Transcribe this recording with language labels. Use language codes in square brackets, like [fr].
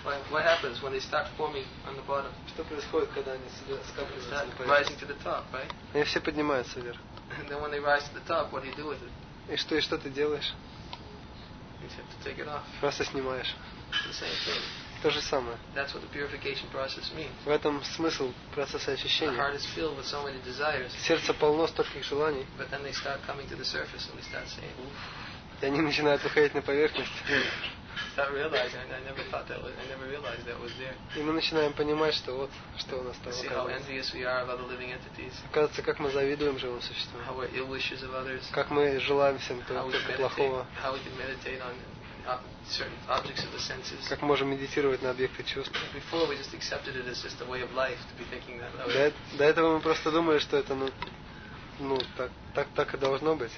[en] What happens when they start forming on the bottom? [ru] Что происходит, когда они скапливаются на поверхности? [en] Rising to the top, right? [ru] Они все поднимаются вверх. [en] And then when they rise to the top, what do you do with it? [ru] И что ты делаешь? [en] You have to take it off. [ru] Просто снимаешь. [en] The same thing. [ru] То же самое. [en] That's what the purification process means. [ru] В этом смысл процесса очищения. [en] The heart is filled with so many desires. [ru] Сердце полно стольких желаний. [en] But then they start coming to the surface and they start saying, [ru] "Oof." И они начинают выходить на поверхность. [en] Start realizing, I never thought that was, I never realized that was there. [ru] И мы начинаем понимать, что вот что у нас там. [en] See how envious we are of other living entities. [ru] Оказывается, как мы завидуем живым существам. [en] How we're ill wishes of others. [ru] Как мы желаем всем только плохого. [en] How we can meditate on certain objects of the senses. [ru] Как можем медитировать на объекты чувств? [en] Before we just accepted it as just a way of life to be thinking that. [ru] До этого мы просто думали, что это так и должно быть.